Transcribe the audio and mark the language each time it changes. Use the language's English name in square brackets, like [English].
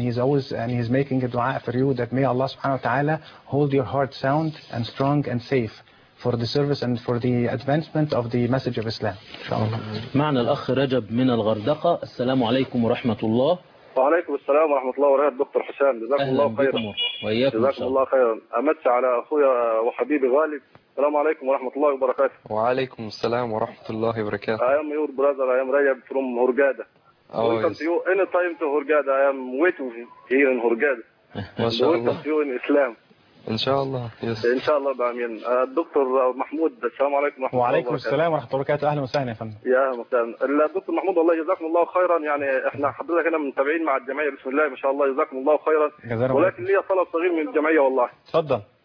[English] And he's always and he's making a dua for you that may Allah subhanahu wa ta'ala hold your heart sound and strong and safe for the service and for the advancement of the message of Islam. [Arabic] معنا الأخ رجب من الغردقة. السلام عليكم ورحمة الله. وعليكم السلام ورحمة الله وبركاته دكتور حسام. جزاكم الله خيرا. جزاكم الله خيرا. أمسى على أخويا وحبيبي غالي. السلام عليكم ورحمة الله وبركاته. وعليكم السلام ورحمة الله وبركاته. [English] I am your brother. I am Rajab from Hurghada. Welcome to you anytime to Hurghada. I am waiting here in Hurghada. [Arabic] ما شاء الله. [English] Welcome to you in Islam. [Arabic] إن شاء الله. [English] Yes. [Arabic] إن شاء الله بأمين. الدكتور محمود السلام عليكم ورحمة وعليكم الله السلام ورحمة الله وبركاته. أهلا وسهلا يا فندم. يا مثلا الدكتور محمود والله جزاكم الله خيرا. يعني إحنا حضرتك هنا متابعين مع الجمعية بسم الله ما شاء الله جزاكم الله خيرا. ولكن لي طلب صغير من الجمعية والله. تفضل.